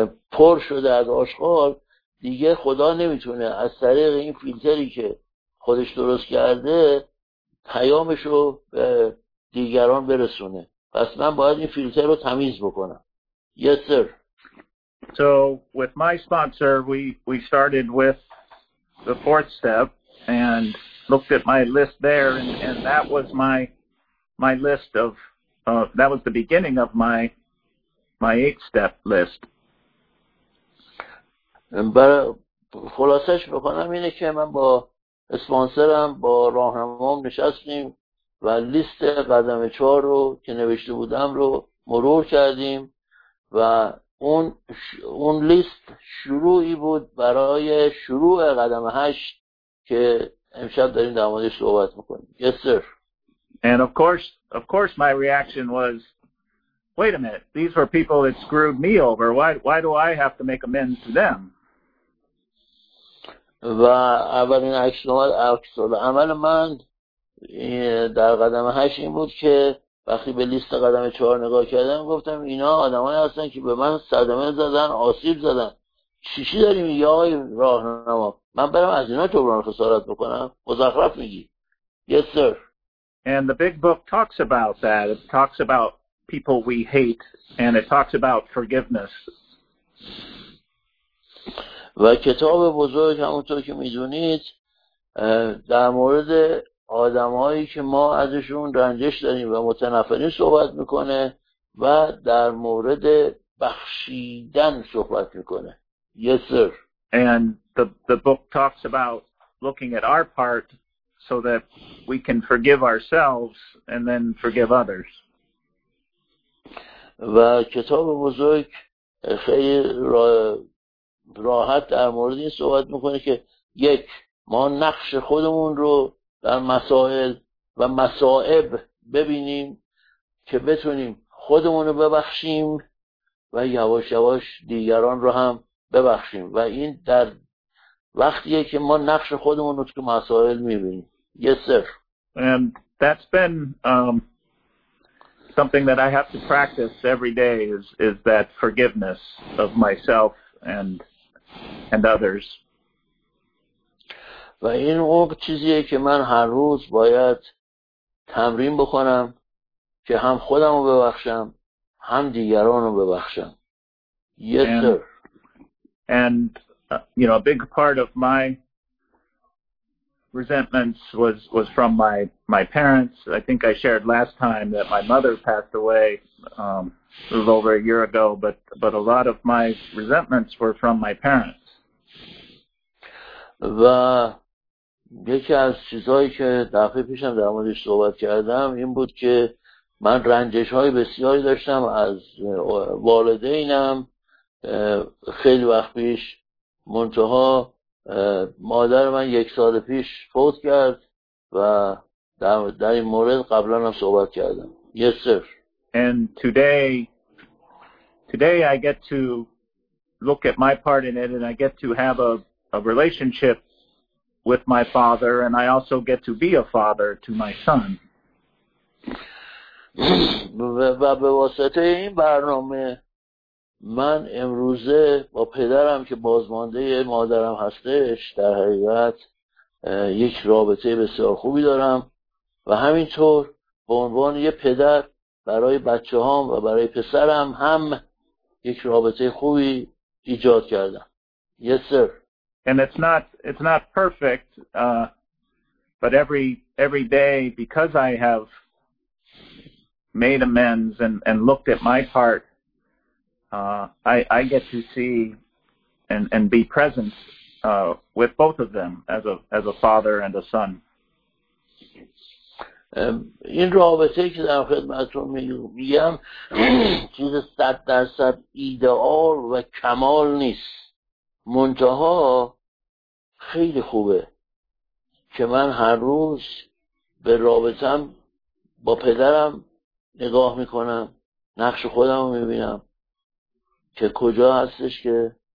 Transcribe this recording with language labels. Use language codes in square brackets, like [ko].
[fa] پر شده از آشغال، دیگه خدا نمیتونه از طریق این فیلتری که خودش درست کرده پیامشو به دیگران برسونه. پس من باید این فیلتر رو تمیز بکنم. [en] Yes sir. So with my sponsor we started with the fourth step and looked at my list there and that was my list of that was the beginning of my eight step list. [fa] خلاصش بکنم اینه که من با اسپانسرم با راهنمام نشستیم و لیست قدم چهار رو که نوشته بودم رو مرور کردیم و اون لیست شروعی بود برای شروع قدم هشت که امشب داریم در موردش صحبت میکنیم. [en] Yes sir. And of course my reaction was, wait a minute, these were people that screwed me over. Why do I have to make amends to them? [fa] و اولین عکس عمل من در قدم هشت این بود که وقتی به لیست قدم چهار نگاه کردم گفتم اینا آدمایی هستن که به من صدمه زدن، آسیب زدن. چی داری میگی آقای راهنما؟ من برم از اینا جبران خسارت بکنم؟ مزخرف میگی. [en] Yes sir. And the big book talks about that. It talks about people we hate and it talks about forgiveness. [fa] و کتاب بزرگ همونطور که میدونید در مورد آدمایی که ما ازشون رنجش داریم و متنفرین صحبت میکنه و در مورد بخشیدن صحبت میکنه. [en] Yes sir. And the book talks about looking at our part so that we can forgive ourselves and then forgive others. [fa] و کتاب بزرگ خیلی راحت در مورد این صحبت میکنه که یک ما نقش خودمون رو در مسائل و مصائب ببینیم که بتونیم خودمون رو ببخشیم و یواش یواش دیگران رو هم ببخشیم و این در وقتیه که ما نقش خودمون رو تو مسائل میبینیم. [en] Yes sir. And that's been something that I have to practice every day is that forgiveness of myself and others. [fa] و این اون چیزیه که من هر روز باید تمرین بکنم که هم خودم رو ببخشم هم دیگران رو ببخشم. [en] Yes sir. And you know, a big part of my resentments was from my parents. I think I shared last time that my mother passed away it was over a year ago, but a lot of my resentments were from my parents. [fa] و یکی از چیزهایی که دفعه پیشم در موردش صحبت کردم این بود که من رنجش‌های بسیاری داشتم از والدینم خیلی وقت پیش، منتها مادر من یک سال پیش فوت کرد و در این مورد قبلا هم صحبت کردم. [en] Yes sir. And today I get to look at my part in it and I get to have a relationship with my father and I also get to be a father to my son. [fa] و به واسطه این برنامه من امروزه با پدرم که بازمانده مادرم هستش در حقیقت یک رابطه بسیار خوبی دارم و همینطور به عنوان یه پدر برای بچه هام و برای پسرم هم یک رابطه خوبی ایجاد کردم. [en] Yes sir. And it's not perfect, but every day, because I have made amends and looked at my part, I get to see and be present with both of them as a father and a son. [fa] این رابطه که در خدمتتون میگم چیز 100% ایدئال و کمال نیست، منتها خیلی خوبه که من هر روز به رابطم با پدرم نگاه میکنم، نقش خودم رو میبینم که کجا هستش که